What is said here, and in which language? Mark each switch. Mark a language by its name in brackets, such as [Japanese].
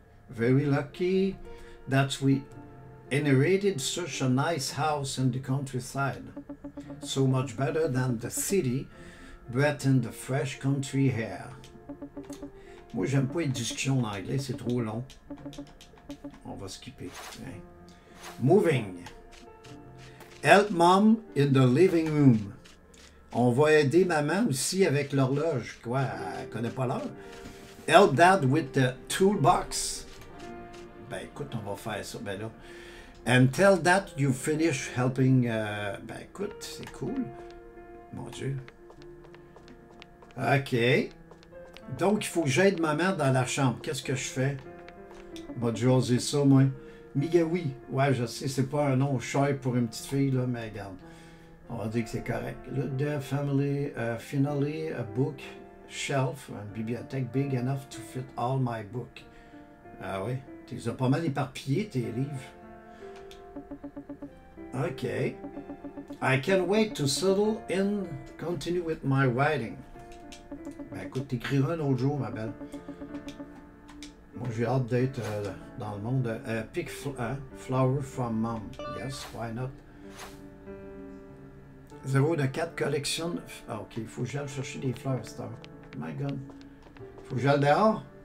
[English] Very lucky that we inherited such a nice house in the countryside. So much better than the city, bred in the fresh country air. [French] Moi, j'aime pas les discussions en anglais, c'est trop long. On va skipper. [English] Okay. Moving. Help mom in the living room. [French] On va aider maman aussi avec l'horloge. Quoi? Elle connaît pas l'heure. [English] Help dad with the toolbox. [French] Ben écoute, on va faire ça. Ben là. [English] And tell dad you finish helping. [French] Ben écoute, c'est cool. Mon Dieu. OK. Donc, il faut que j'aide ma mère dans la chambre. Qu'est-ce que je fais? Bon, je vais oser ça, moi. Migaoui. Ouais, je sais, c'est pas un nom cher pour une petite fille, là, mais regarde. On va dire que c'est correct. [English] Look there, family. Finally, a book shelf, [French] une bibliothèque [English] big enough to fit all my books. [French] Ah oui, tu les as pas mal éparpillés, tes livres. OK. [English] I can't wait to settle in, continue with my writing. [French] Ben écoute, t'écriras un autre jour, ma belle. Moi, j'ai hâte d'être dans le monde. [English] Pick flower from mom. Yes, why not? [French] 0 de 4 collection. Ah, OK, il faut que j'aille chercher des fleurs, c'est un... [English] My God. [French] Faut que j'aille dehors.